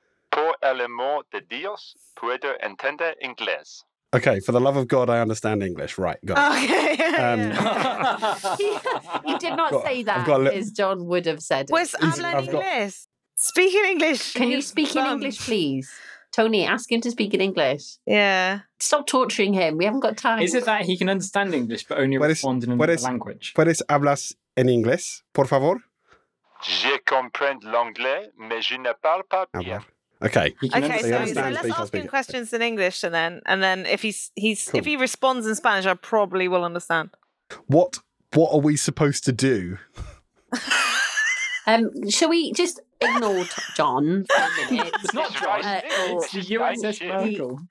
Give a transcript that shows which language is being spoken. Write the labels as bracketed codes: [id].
[es] Pour el amor de Dios, puedo entender inglés. [en] Okay, for the love of God, I understand English. Right, go. Okay. he did not say that, as John would have said. Well, I'm learning this. Speak in English. Can you speak in English, please? Tony, ask him to speak in English. Yeah. Stop torturing him. We haven't got time. Is it that he can understand English, but only respond in another language? [es] ¿Puedes hablar en inglés, por favor? [fr] Je comprends l'anglais, mais je ne parle pas bien. [en] Let's ask him questions in English, and then if he's cool. If he responds in Spanish, I probably will understand. What are we supposed to do? Shall we just ignore John for a minute? It's not John. It's the USS